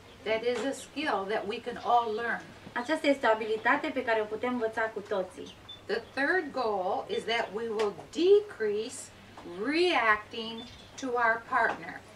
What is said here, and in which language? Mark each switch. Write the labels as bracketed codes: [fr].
[en] That is a skill that we can all learn. [ro] Aceasta este o abilitate pe care o putem învăța cu toții. [en] The third goal is that we will decrease reacting to our partner.